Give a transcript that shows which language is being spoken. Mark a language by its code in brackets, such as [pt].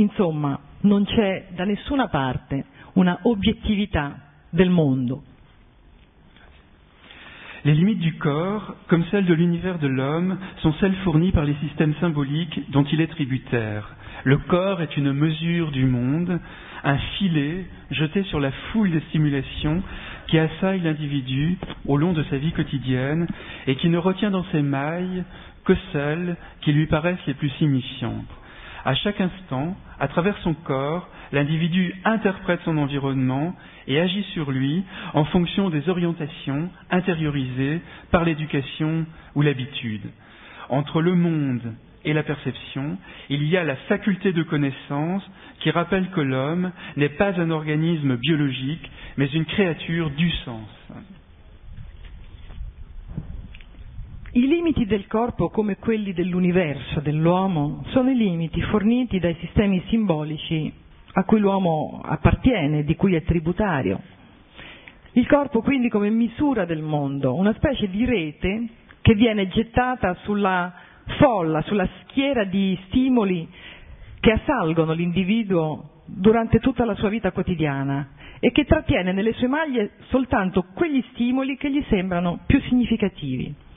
[it] Insomma, non c'è da nessuna parte una obiettività del mondo. [fr] Les limites du corps, comme celles de l'univers de l'homme, sont celles fournies par les systèmes symboliques dont il est tributaire. Le corps est une mesure du monde, un filet jeté sur la foule des stimulations qui assaille l'individu au long de sa vie quotidienne et qui ne retient dans ses mailles que celles qui lui paraissent les plus signifiantes. À chaque instant, à travers son corps, l'individu interprète son environnement et agit sur lui en fonction des orientations intériorisées par l'éducation ou l'habitude. Entre le monde et la perception, il y a la faculté de connaissance qui rappelle que l'homme n'est pas un organisme biologique, mais une créature du sens. [it] I limiti del corpo, come quelli dell'universo, dell'uomo, sono i limiti forniti dai sistemi simbolici a cui l'uomo appartiene, di cui è tributario. Il corpo quindi come misura del mondo, una specie di rete che viene gettata sulla folla, sulla schiera di stimoli che assalgono l'individuo durante tutta la sua vita quotidiana e che trattiene nelle sue maglie soltanto quegli stimoli che gli sembrano più significativi.